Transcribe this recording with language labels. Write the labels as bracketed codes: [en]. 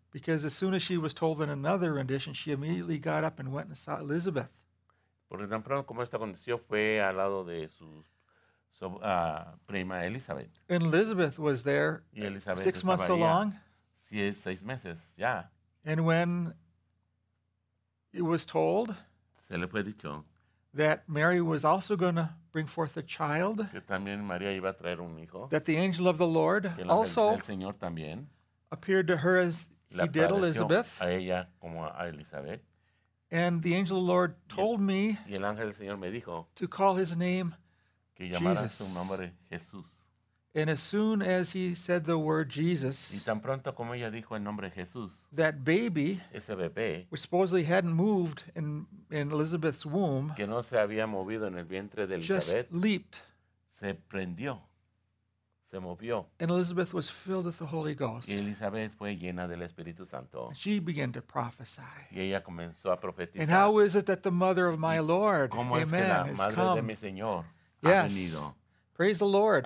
[en] Because as soon as she was told in another rendition, she immediately got up and went and saw Elizabeth. [es] Porque tan pronto como esto aconteció, fue al lado de su prima Elizabeth. [en] And Elizabeth was there [es] y Elizabeth [en] 6 months [es] ella. [en] Along. [es] 6 meses, yeah. [en] And when it was told [es] se le fue dicho [en] that Mary was also going to bring forth a child, [es] que también María iba a traer un hijo, [en] that the angel of the Lord [es] que el [en] also [es] del Señor también [en] appeared to her as he did Elizabeth, [es] a ella como a Elizabeth. [en] And the angel of the Lord told [es] y el, [en] me, [es] y el ángel del Señor me dijo [en] to call his name [es] que llamara Jesus. Su nombre Jesús. [en] And as soon as he said the word Jesus, [es] y tan pronto como ella dijo el nombre Jesús, [en] that baby, [es] ese bebé, [en] which supposedly hadn't moved in Elizabeth's womb, [es] que no se había movido en el vientre de Elizabeth, [en] just leaped. [es] Se prendió. Se movió. [en] And Elizabeth was filled with the Holy Ghost. [es] Y Elizabeth fue llena del Espíritu Santo. [en] And she began to prophesy. [es] Y ella comenzó a profetizar. [en] And how is it that the mother of my Lord, [es] ¿cómo [en] amen, [es] es que la madre [en] has come? [es] De mi Señor [en] yes. [es] Ha venido? [en] Praise the Lord.